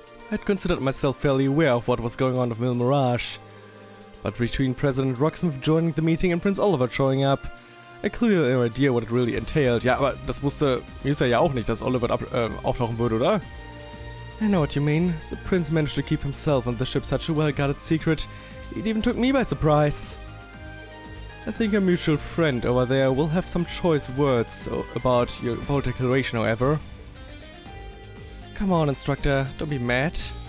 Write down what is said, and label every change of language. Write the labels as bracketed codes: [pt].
[en] I'd considered myself fairly aware of what was going on with Mil Mirage. But between President Rocksmith joining the meeting and Prince Oliver showing up, I clearly had no idea what it really entailed. [de] Ja, aber das wusste Musa ja auch nicht, dass Oliver auftauchen würde, oder? [en] I know what you mean. The Prince managed to keep himself and the ship such a well-guarded secret, it even took me by surprise. I think a mutual friend over there will have some choice words about your bold declaration, however. Come on, Instructor, don't be mad.